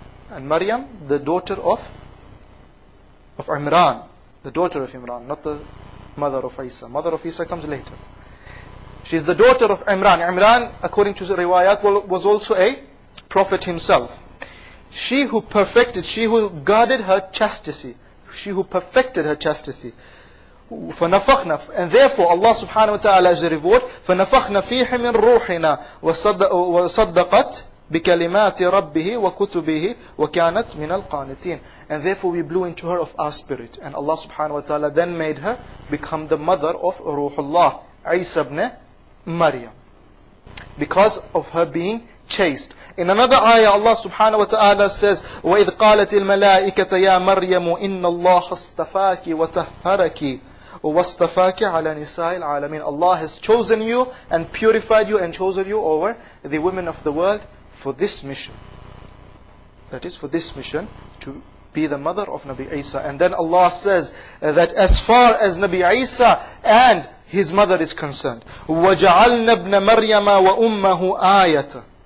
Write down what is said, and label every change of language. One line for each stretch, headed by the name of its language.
English: And Maryam, the daughter of Imran, the daughter of Imran, not the mother of Isa. Mother of Isa comes later. She is the daughter of Imran. Imran, according to the riwayat, was also a prophet himself. She who perfected, she who guarded her chastity, she who perfected her chastity.
Arabic: فَنَفَخْنَا,
English: and therefore Allah subhanahu wa ta'ala is the reward,
Arabic: فَنَفَخْنَا فِيهِ مِنْ رُوحِنَا وَصَدَّقَتْ بِكَلِمَاتِ رَبِّهِ وَكُتُبِهِ وَكَانَتْ مِنَ الْقَانِتِينَ.
English: And therefore we blew into her of our spirit, and Allah subhanahu wa ta'ala then made her become the mother of Ruhullah, Isa ibn Maryam, because of her being chaste. In another ayah Allah subhanahu wa ta'ala says,
Arabic: وَإِذْ قَالَتِ الْمَلَائِكَةَ يَا مَرْيَمُ إِنَّ اللَّهَ اصْطَفَاكِ وَتَهَّرَكِ وَاصْطَفَاكِ عَلَى نِسَاءِ الْعَالَمِينَ.
English: Allah has chosen you and purified you and chosen you over the women of the world for this mission. That is, for this mission to be the mother of Nabi Isa. And then Allah says that as far as Nabi Isa and his mother is concerned,
Arabic: وَجَعَلْنَا ابْنَ مَرْيَمَ وَأُمَّهُ آيَةً.